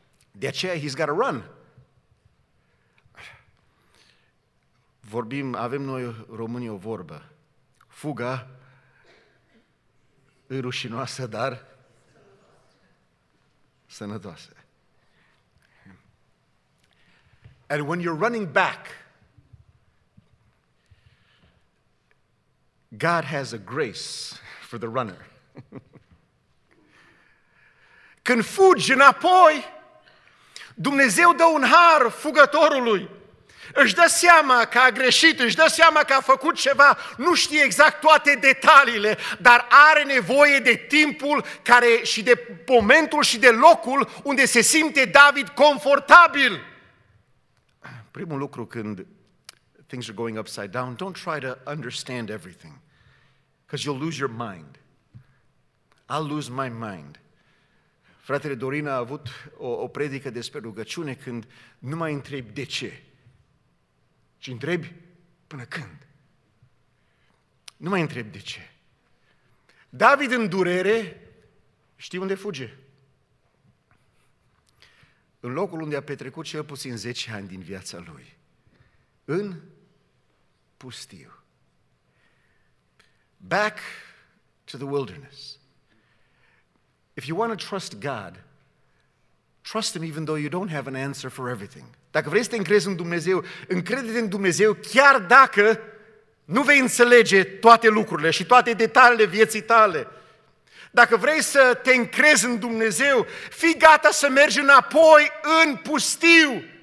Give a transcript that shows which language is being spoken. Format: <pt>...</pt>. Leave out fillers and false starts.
<ro>De aceea,</ro> <en>he's got to run.</en> <ro>Vorbim, avem noi românii o vorbă. Fuga e rușinoasă, dar sănătoasă.</ro> <en>And when you're running back, God has a grace for the runner.</en> <ro>Când fugi înapoi, Dumnezeu dă un har fugătorului. Își dă seama că a greșit, își dă seama că a făcut ceva, nu știe exact toate detaliile, dar are nevoie de timpul care și de momentul și de locul unde se simte David confortabil. Primul lucru, când</ro> <en>things are going upside down, don't try to understand everything. Because you'll lose your mind. I'll lose my mind.</en> <ro>Fratele Dorin a avut o predică despre rugăciune când nu mai întrebi de ce, ci întrebi până când. Nu mai întrebi de ce. David în durere știe unde fuge. În locul unde a petrecut cel puțin 10 ani din viața lui. În pustiu.</ro> <en>Back to the wilderness. If you want to trust God, trust Him even though you don't have an answer for everything.</en> <ro>Dacă vrei să te încrezi în Dumnezeu, încrede-te în Dumnezeu chiar dacă nu vei înțelege toate lucrurile și toate detaliile vieții tale. Dacă vrei să te încrezi în Dumnezeu, fii gata să mergi înapoi în pustiu.</ro>